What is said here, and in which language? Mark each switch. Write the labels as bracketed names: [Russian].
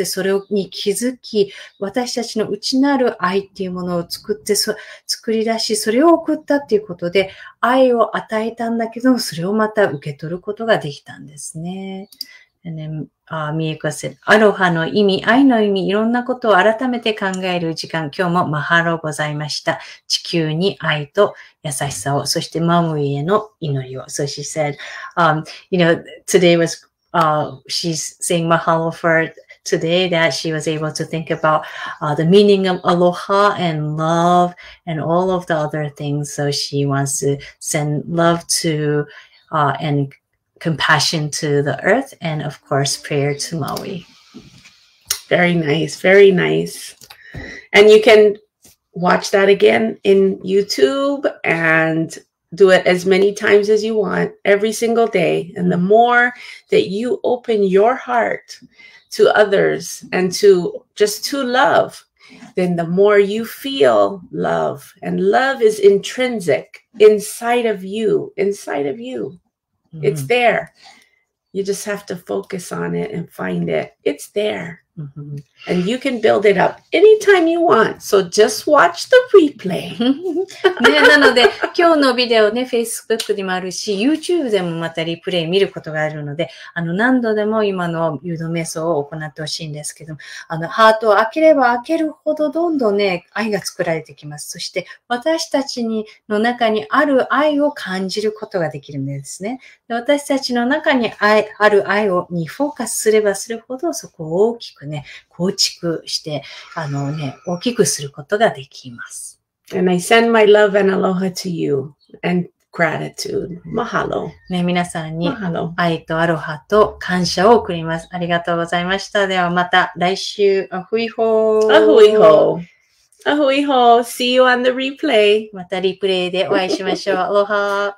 [Japanese] で、それに気づき、私たちの内なる愛っていうものを作って、作り出し、それを送ったっていうことで、愛を与えたんだけど、それをまた受け取ることができたんですね。 [English] And then, みえこ said, [Japanese] アロハの意味、愛の意味、いろんなことを改めて考える時間、今日もマハロございました。地球に愛と優しさを、そしてマウイへの祈りを。 [English] So she said, you know, today was, she's saying mahalo for today that she was able to think about, the meaning of aloha and love and all of the other things. So she wants to send love to, andcompassion to the earth, and of course, prayer to Maui. Very nice, very nice. And you can watch that again in YouTube and do it as many times as you want, every single day. And the more that you open your heart to others and to just to love, then the more you feel love. And love is intrinsic inside of you, inside of you. It's there. You just have to focus on it and find it. It's there. Mm-hmm. And you can build it up anytime you want. So just watch the replay. [Japanese] 、ね、なので、今日のビデオね、Facebook にもあるし、YouTube でもまたリプレイ見ることがあるので、何度でも今の誘導瞑想を行ってほしいんですけど、ハートを開ければ開けるほどどんどんね、愛が作られてきます。そして、私たちにの中にある愛を感じることができるんですね。で私たちの中に愛ある愛をにフォーカスすればするほど、そこを大きくね、構築して、ね、大きくすることができます。 [English] And I send my love and aloha to you and gratitude. [Hawaiian] Mahalo. [Japanese] ね、皆さんに愛とアロハと感謝を送ります。ありがとうございました。ではまた来週、 [Hawaiian] アフイホー。アフイホー。アフイホー。 [English] See you on the replay. [Japanese] またリプレイでお会いしましょう。アロハ。